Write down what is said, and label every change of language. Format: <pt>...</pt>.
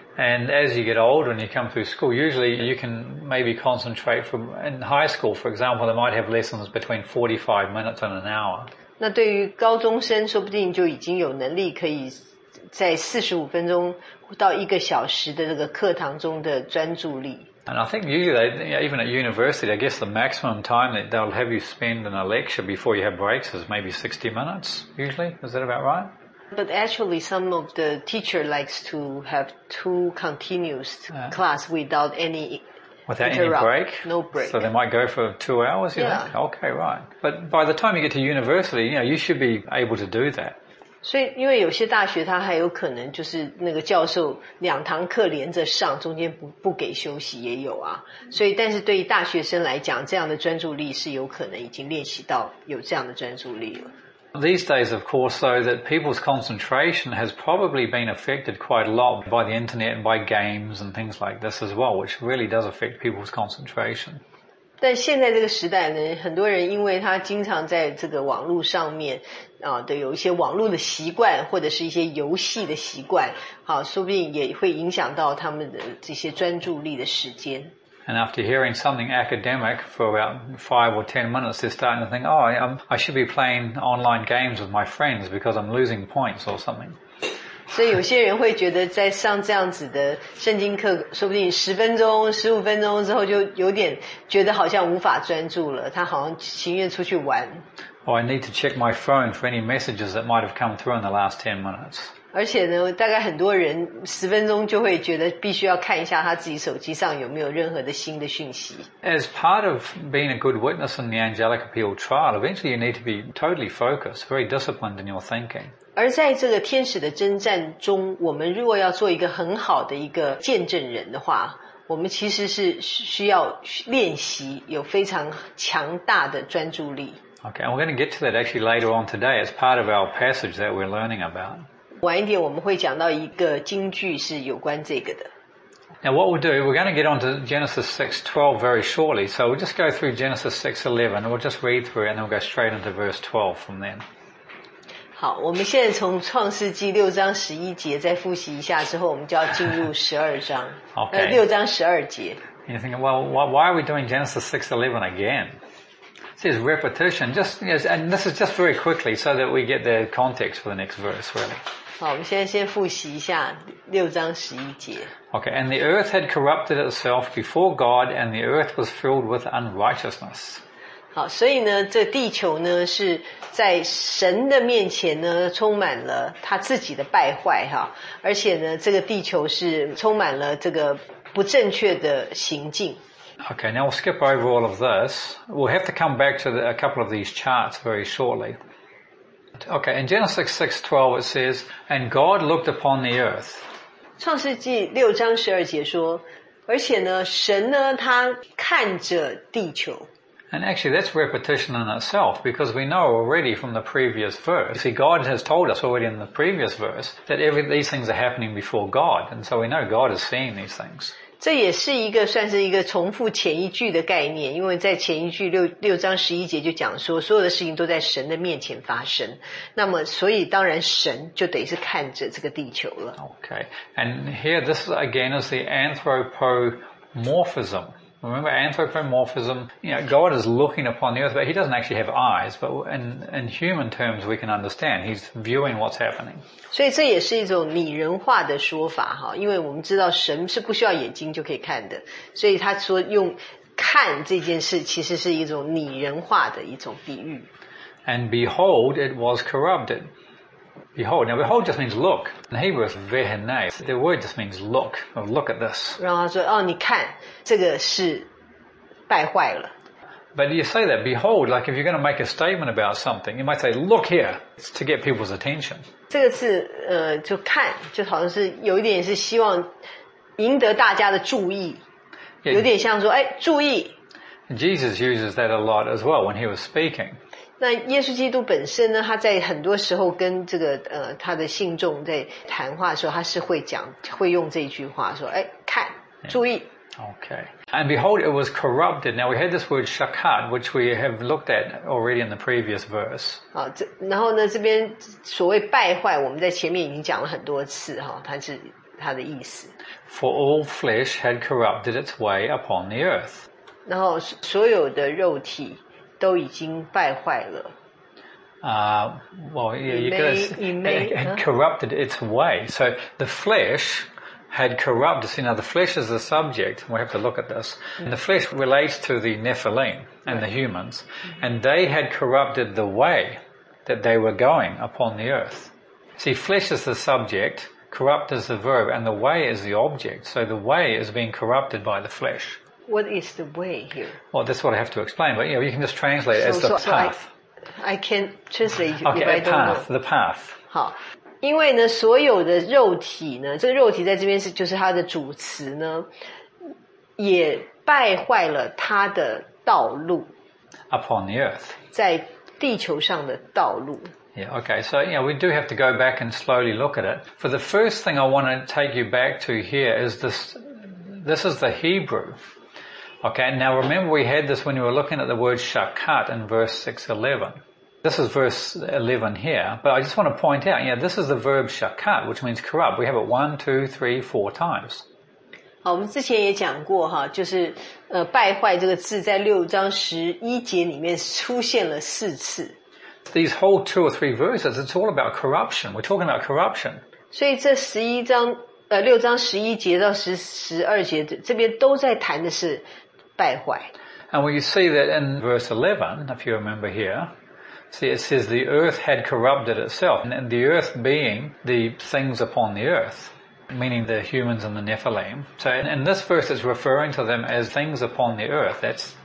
<en>And as you get older and you come through school, usually you can maybe concentrate from, in high school, for example, they might have lessons between 45 minutes and an hour.</en> <zh>那对于高中生说不定就已经有能力可以在45分钟到一个小时的这个课堂中的专注力。</zh> <en>And I think usually, even at university, I guess the maximum time that they'll have you spend in a lecture before you have breaks is maybe 60 minutes, usually. Is that about right? But actually, some of the teacher likes to have 2 continuous class without any Without any break? No break. So they might go for 2 hours, you yeah. know? Okay, right. But by the time you get to university, you know, you should be able to do that.</en> <zh>所以因为有些大学他还有可能就是那个教授两堂课连着上中间不给休息也有啊，所以但是对于大学生来讲这样的专注力是有可能已经练习到有这样的专注力了。</zh> <en>These days of course though that people's concentration has probably been affected quite a lot by the internet and by games and things like this as well, which really does affect people's concentration.</en> <zh>但现在这个时代呢，很多人因为他经常在这个网络上面啊，对，有一些网络的习惯或者是一些游戏的习惯，好，说不定也会影响到他们的这些专注力的时间。</zh> <en>And after hearing something academic for about 5 or 10 minutes, they're starting to think, oh, I should be playing online games with my friends because I'm losing points or something.</en> <zh>所以有些人会觉得在上这样子的圣经课，说不定十分钟、十五分钟之后就有点觉得好像无法专注了，他好像情愿出去玩。</zh> <en>or I need to check my phone for any messages that might have come through in the last 10 minutes.</en> <zh>而且呢，大概很多人十分钟就会觉得必须要看一下他自己手机上有没有任何的新的讯息。</zh> <en>As part of being a good witness in the angelic appeal trial, eventually you need to be totally focused, very disciplined in your thinking.</en> <zh>而在这个天使的征战中，我们如果要做一个很好的一个见证人的话，我们其实是需要练习有非常强大的专注力。</zh> <en>Okay, and we're going to get to that actually later on today. It's part of our passage that we're learning about.</en> <zh>晚一点我们会讲到一个经句是有关这个的。</zh> <en>Now what we'll do, we're going to get on to Genesis 6:12 very shortly, so we'll just go through Genesis 6:11, we'll just read through it, and then we'll go straight into verse 12 from then.</en> <zh>好，我们现在从创世纪六章十一节再复习一下之后，我们就要进入十二章。</zh> <en>Okay.</en> <zh>六章十二节。</zh> <en>You're thinking, well, why are we doing Genesis 6:11 again? It says repetition, just, yes, and this is just very quickly so that we get the context for the next verse, really.</en> <zh>好，我们现在先复习一下六章十一节。</zh> <en>Okay, and the earth had corrupted itself before God, and the earth was filled with unrighteousness.</en> <zh>好，所以呢，这地球呢是在神的面前呢充满了他自己的败坏哈，而且呢，这个地球是充满了这个不正确的行径。</zh> <en>Okay, now we'll skip over all of this. We'll have to come back to a couple of these charts very shortly. Okay, in Genesis 6:12 it says, And God looked upon the earth.</en> <zh>创世纪六章十二节说，而且呢，神呢，他看着地球。</zh> <en>And actually that's repetition in itself, because we know already from the previous verse. You see, God has told us already in the previous verse that these things are happening before God, and so we know God is seeing these things.</en> <zh>这也是一个算是一个重复前一句的概念，因为在前一句 六章十一节就讲说所有的事情都在神的面前发生，那么所以当然神就等于是看着这个地球了。</zh> <en>Okay, and here this again is the anthropomorphism. Remember anthropomorphism, you know, God is looking upon the earth, but he doesn't actually have eyes, but in human terms we can understand, he's viewing what's happening.</en> <zh>所以这也是一种拟人化的说法，因为我们知道神是不需要眼睛就可以看的，所以他说用看这件事其实是一种拟人化的一种比喻。</zh> <en>And behold, it was corrupted. Behold, now behold just means look. In Hebrew it's vehenei. The word just means look, or look at this.</en> <zh>然后他说，哦，你看，这个是败坏了。</zh> <en>But you say that, behold, like if you're going to make a statement about something, you might say, look here, to get people's attention.</en> <zh>这个是就看，就好像是有一点是希望赢得大家的注意。 Yeah, 有点像说，哎，注意。</zh> <en>Jesus uses that a lot as well when he was speaking.</en> <zh>那耶稣基督本身呢，他在很多时候跟这个他的信众在谈话的时候，他是会讲，会用这句话说，哎，看，注意。</zh> <en>Yeah. Okay. And behold, it was corrupted. Now we had this word shakat, which we have looked at already in the previous verse. 好，然后呢，这边所谓败坏，我们在前面已经讲了很多次，它是它的意思。 For all flesh had corrupted its way upon the earth. 然后所有的肉体都已经败坏了。 Well, yeah, you could say it corrupted its way. So the flesh... had corrupted. See, now the flesh is the subject. We have to look at this. And the flesh relates to the Nephilim and the humans. And they had corrupted the way that they were going upon the earth. See, flesh is the subject, corrupt is the verb, and the way is the object. So the way is being corrupted by the flesh. What is the way here? Well, that's what I have to explain. But, you know, you can just translate it as the path. I can't translate it. Okay, the path. The path.</en> <zh>好。因为呢，所有的肉体呢，这个肉体在这边是就是它的主词呢，也败坏了它的道路。</zh> <en>Upon the earth，</en> <zh>在地球上的道路。</zh> <en>Yeah, okay. So yeah, we do have to go back and slowly look at it. For the first thing I want to take you back to here is this. This is the Hebrew. Okay. Now remember, we had this when we were looking at the word shakat in verse 6:11. This is verse 11 here, but I just want to point out, yeah, this is the verb shakat, which means corrupt. We have it 1, 2, 3, 4 times.</en> <zh>好，我们之前也讲过哈，就是败坏这个字在六章十一节里面出现了四次。</zh> <en>These whole 2 or 3 verses, it's all about corruption. We're talking about corruption.</en> <zh>所以这十一章六章十一节到十二节这边都在谈的是败坏。</zh> <en>And we see that in verse 11, if you remember here. See, it says the earth had corrupted itself, and the earth being the things upon the earth, meaning the humans and the Nephilim. So in this verse, it's referring to them as things upon the earth.</en>